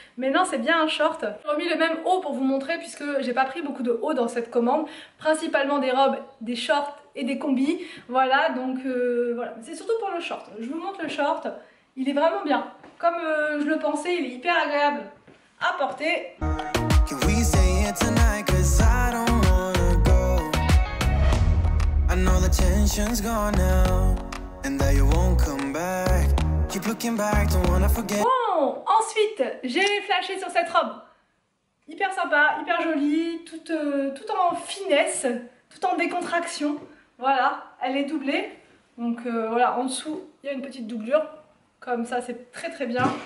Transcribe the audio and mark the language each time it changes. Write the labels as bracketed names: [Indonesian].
[French] Mais non, c'est bien un short. J'ai remis le même haut pour vous montrer puisque j'ai pas pris beaucoup de haut dans cette commande. Principalement des robes, des shorts et des combis, voilà, donc voilà, c'est surtout pour le short. Je vous montre le short, il est vraiment bien, comme je le pensais, il est hyper agréable à porter. [English] Can we stay here tonight, cause I don't wanna go. I know the tension's gone now, and that you won't come back. Keep looking back, don't wanna forget. [French] Bon, ensuite, j'ai flashé sur cette robe, hyper sympa, hyper jolie, tout en finesse, tout en décontraction. Voilà, elle est doublée, donc voilà, en dessous, il y a une petite doublure, comme ça, c'est très très bien.